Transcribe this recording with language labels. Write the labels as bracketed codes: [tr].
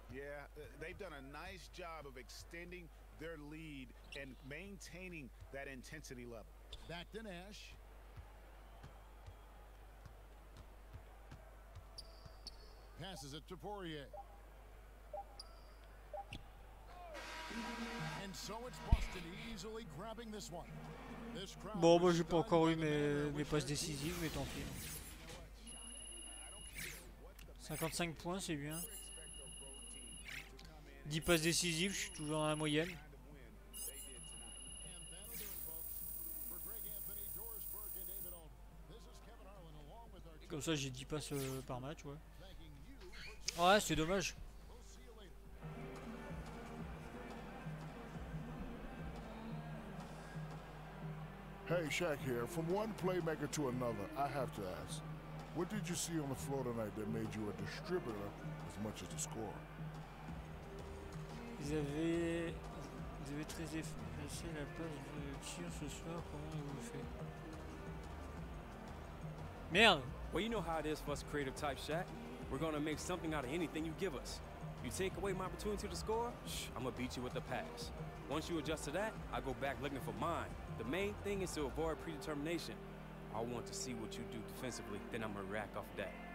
[en] Yeah, they've done a nice job of extending their lead and maintaining that intensity level. Back to Nash. Passes it to Poirier. And so it's Boston easily grabbing this one. This crowd. [fr] Bon, moi j'ai pas encore eu mes passes décisives, mais tant pis. 55 points, c'est bien. 10 passes décisives, je suis toujours dans la moyenne. Comme ça, j'ai 10 passes par match, ouais. Ouais, c'est dommage. [en] Hey, Shaq here. From one playmaker to another, I have to ask. What did you see on the floor tonight that made you a distributor as much as a scorer? [fr] Vous avez très effacé la place de tir ce soir. Comment vous le faites? Merde! [en] Well, you know how it is for us creative types, Shaq. We're gonna make something out of anything you give us. You take away my opportunity to score, I'm gonna beat you with the pass. Once you adjust to that, I go back looking for mine. The main thing is to avoid predetermination. I want to see what you do defensively, then I'm gonna react off that.